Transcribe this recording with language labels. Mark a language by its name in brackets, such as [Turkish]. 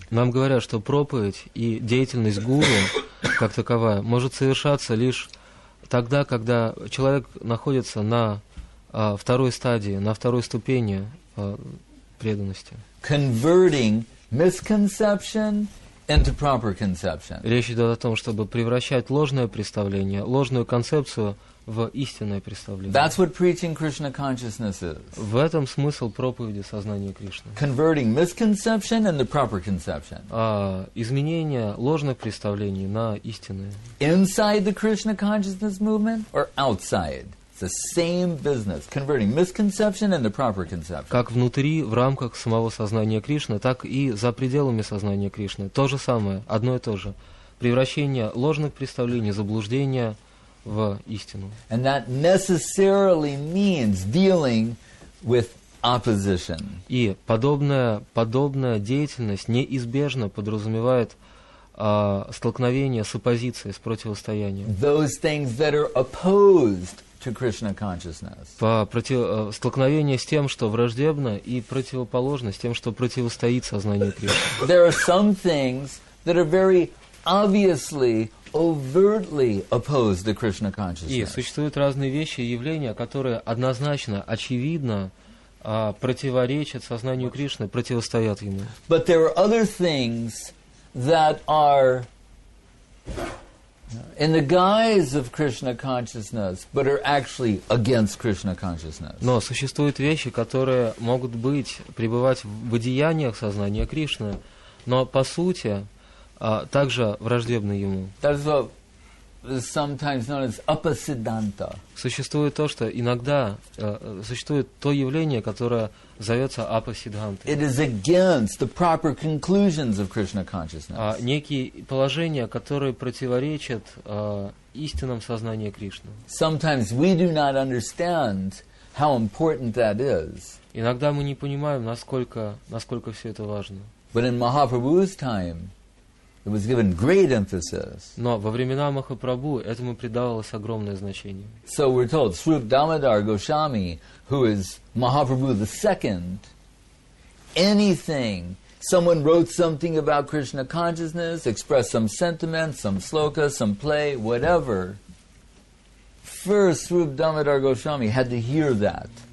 [Russian] Нам говорят, что проповедь и деятельность гуру как таковая может совершаться лишь тогда, когда человек находится на второй стадии, на второй ступени преданности. [English] Converting misconception into proper conception. [Russian] Речь идет о том, чтобы превращать ложное представление, ложную концепцию в истинное представление. [English] That's what preaching Krishna consciousness is. [Russian] В этом смысл проповеди сознания Кришны. [English] Converting misconception into proper conception. [Russian] Изменение ложных представлений на истинные. [English] Inside the Krishna consciousness movement or outside? The same business, converting misconception into proper conception. [Russian] Как внутри, в рамках самого сознания Кришны, так и за пределами сознания Кришны. То же самое, одно и то же. Превращение ложных представлений, заблуждения в истину. [English] And that necessarily means dealing with opposition. [Russian] И подобная деятельность неизбежно подразумевает столкновение с оппозицией, с противостоянием. [English] Those things that are opposed to Krishna consciousness. [Russian] Столкновение с тем, что враждебно, и противоположно с тем, что противостоит сознанию Кришны. [English] There are some things that are very obviously, overtly opposed to Krishna consciousness. [Russian] И существуют разные вещи и явления, которые однозначно, очевидно противоречат сознанию Кришны, противостоят ему. [English] But there are other things that are in the guise of Krishna consciousness, but are actually against Krishna consciousness. [Russian] Но существуют вещи, которые могут быть, пребывать в одеяниях сознания Кришны, но по сути также враждебны ему. [English] That is what is sometimes known as apasiddhanta. [Russian] Существует то, что иногда существует то явление, которое зовется апасиддханта. [English] It is against the proper conclusions of Krishna consciousness. [Russian] Некие положения, которые противоречат истинам сознания Кришны. [English] Sometimes we do not understand how important that is. [Russian] Иногда мы не понимаем, насколько все это важно. [English] But in Mahaprabhu's time, it was given great emphasis. [Russian] Но во времена Махапрабху этому придавалось огромное значение. [English] So we're told, Srup Damodar Goswami, who is Mahaprabhu the second, anything, someone wrote something about Krishna consciousness, expressed some sentiment, some sloka, some play, whatever, first Srup Damodar Goswami had to hear that.